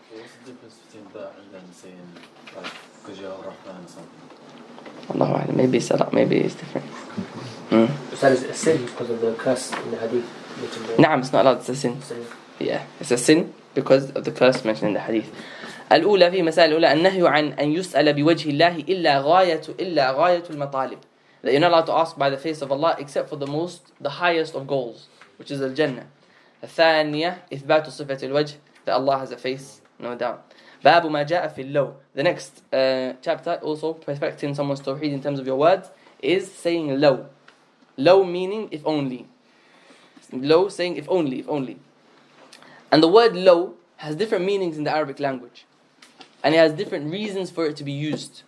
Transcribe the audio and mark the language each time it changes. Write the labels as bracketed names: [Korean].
[English] What's the difference between that and then saying, because you're Allah and something? Allahu a'lam, maybe it's different. Mm. So that is a sin because of the curse in the hadith? Na'am, it's not allowed, it's a sin. Yeah, it's a sin because of the curse mentioned in the hadith. [Arabic] الأولى في مسألة الأولى النهي عن أن يسأل بوجه الله إلا غاية المطالب. [English] That you're not allowed to ask by the face of Allah except for the highest of goals, which is al-Jannah. [Arabic] الثانية إثبات صفة الوجه, [English] that Allah has a face, no doubt. [Arabic] باب ما جاء في اللو. [English] The next chapter also perfecting someone's tawheed in terms of your words is saying low. Low meaning if only. Low saying if only. And the word low has different meanings in the Arabic language. And it has different reasons for it to be used.